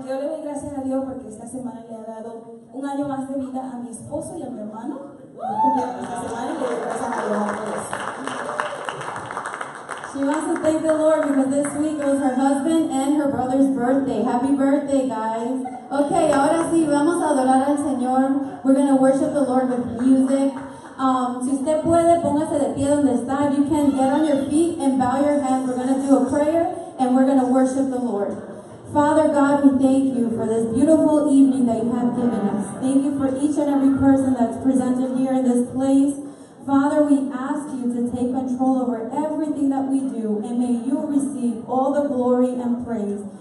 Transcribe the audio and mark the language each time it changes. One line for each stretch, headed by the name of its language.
Spanish: Yo le doy gracias a Dios porque esta semana le ha dado un año más de vida a mi esposo y a mi hermano. Esta semana le doy gracias a Dios.
English: She wants to thank the Lord because this week was her husband and her brother's birthday. Happy birthday, guys.
Spanish: Okay, ahora sí, vamos a adorar al Señor.
English: We're going to worship the Lord with music.
Spanish: Si usted puede, póngase de pie donde está.
English: If you can, get on your feet and bow your head. We're going to do a prayer and we're going to worship the Lord. Father God, we thank you for this beautiful evening that you have given us. Thank you for each and every person that's presented here in this place. Father, we ask you to take control over everything that we do, and may you receive all the glory and praise.